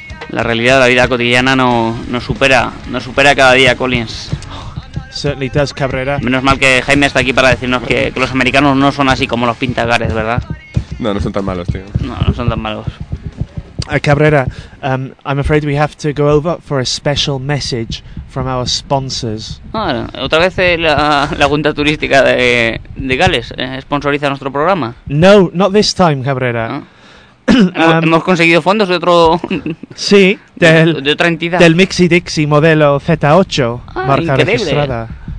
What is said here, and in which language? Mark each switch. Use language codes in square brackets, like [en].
[es] La realidad de la vida cotidiana no supera cada día, Collins. [en] Certainly does, Cabrera. [es] Menos mal que Jaime está aquí para decirnos que los americanos no son así como los pinta Gareth, ¿verdad? No son tan malos, tío. No son tan malos. [en] Cabrera, I'm afraid we have to go over for a special message from our sponsors. [es] Ah, otra vez la junta turística de Gales sponsoriza nuestro programa. [en] No, not this time, Cabrera. ¿No? [es] Hemos conseguido fondos de otro... Sí, de otra entidad. Del Mixi Dixi modelo Z8. Ah, marca increíble. Registrada.